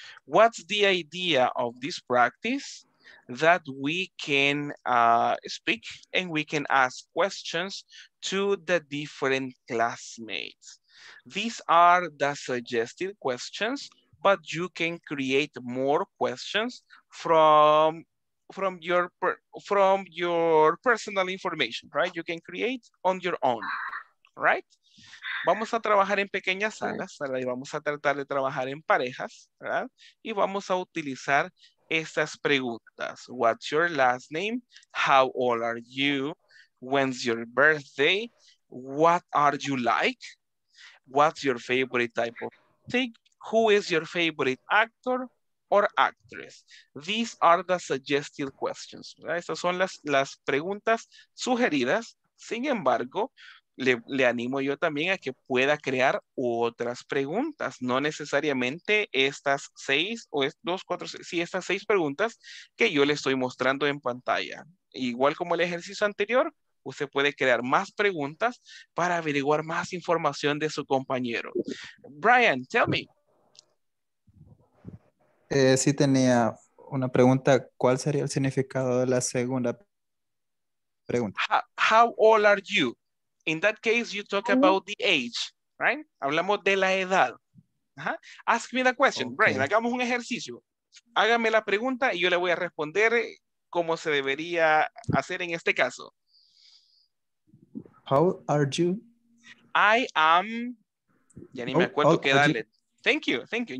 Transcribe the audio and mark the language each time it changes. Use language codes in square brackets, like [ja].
[en] What's the idea of this practice? That we can speak and we can ask questions to the different classmates. These are the suggested questions, but you can create more questions from your personal information, right? You can create on your own. Right? [es] Vamos a trabajar en pequeñas salas, ¿verdad? Y vamos a tratar de trabajar en parejas, ¿verdad? Y vamos a utilizar estas preguntas. [en] What's your last name? How old are you? When's your birthday? What are you like? What's your favorite type of music? Who is your favorite actor or actress? These are the suggested questions, [es] ¿verdad? Estas son las preguntas sugeridas. Sin embargo, Le animo yo también a que pueda crear otras preguntas, no necesariamente estas seis o dos, cuatro, sí, estas seis preguntas que yo le estoy mostrando en pantalla. Igual como el ejercicio anterior, usted puede crear más preguntas para averiguar más información de su compañero. [en] Brian, tell me. [es] Sí, tenía una pregunta. ¿Cuál sería el significado de la segunda pregunta? [en] How old are you? In that case, you talk about the age, right? [es] Hablamos de la edad. [en] Uh-huh. Ask me the question. Okay. [es] Brian, hagamos un ejercicio. Hágame la pregunta y yo le voy a responder cómo se debería hacer en este caso. [en] How are you? I am... [es] Ya ni me acuerdo qué edad le... [en] Thank you, thank you.